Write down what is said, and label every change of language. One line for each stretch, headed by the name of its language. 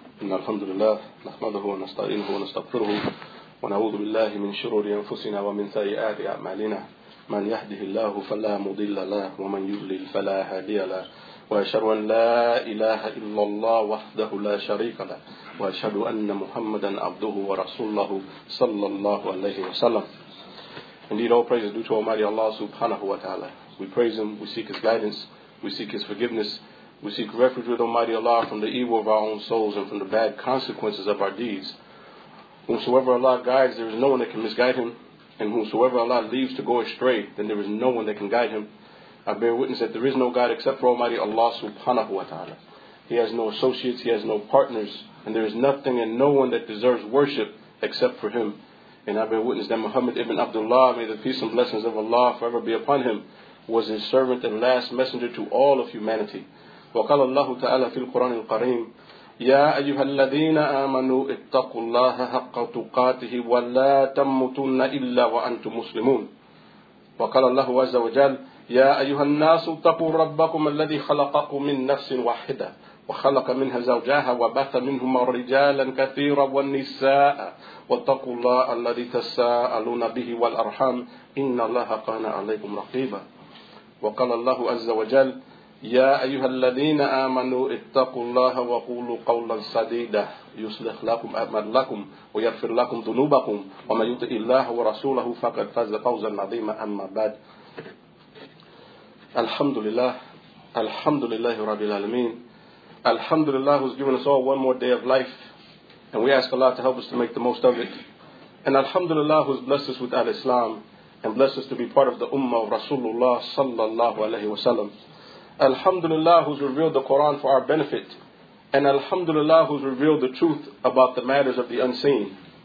Arabic: إن الحمد لله نحمده ونستعينه ونستغفره ونعوذ بالله من شرور أنفسنا ومن سيئات أعمالنا. من يهده الله فلا مضل له ومن يضلل فلا هادي له. وأشهد أن لا إله إلا الله وحده لا شريك له وأشهد أن محمدا عبده ورسوله صلى الله عليه وسلم.
English: Indeed, all praise is due to Almighty Allah subhanahu wa ta'ala. We praise Him, we seek His guidance, we seek His forgiveness, we seek refuge with Almighty Allah from the evil of our own souls and from the bad consequences of our deeds. Whomsoever Allah guides, there is no one that can misguide him. And whomsoever Allah leaves to go astray, then there is no one that can guide him. I bear witness that there is no God except for Almighty Allah subhanahu wa ta'ala. He has no associates, he has no partners, and there is nothing and no one that deserves worship except for him. And I bear witness that Muhammad ibn Abdullah, may the peace and blessings of Allah forever be upon him, was his servant and last messenger to all of humanity.
Arabic: وقال الله تعالى في القرآن الكريم يا أيها الذين آمنوا اتقوا الله حق تقاته ولا تموتن إلا وأنتم مسلمون. وقال الله عز وجل يا أيها الناس اتقوا ربكم الذي خلقكم من نفس واحدة وخلق منها زوجها وبث منهما رجالا كثيرا والنساء واتقوا الله الذي تساءلون به والأرحام إن الله كان عليكم رقيبا. وقال الله عز وجل يا أيها الذين آمنوا اتقوا الله وقولوا قولا سديدا يصلح لكم أعمالكم ويغفر لكم ذنوبكم ومن يطع الله ورسوله فقد فاز فوزا عظيما. أما بعد, الحمد لله, الحمد لله رب العالمين. الحمد لله
English: has given us all one more day of life, and we ask Allah to help us to make the most of it. And
Arabic: الحمد لله
English: has blessed us with Al-Islam and blessed us to be part of the Ummah of Rasulullah
Arabic: صلى الله عليه وسلم.
English: Alhamdulillah, who's revealed the Quran for our benefit, and Alhamdulillah, who's revealed the truth about the matters of the unseen.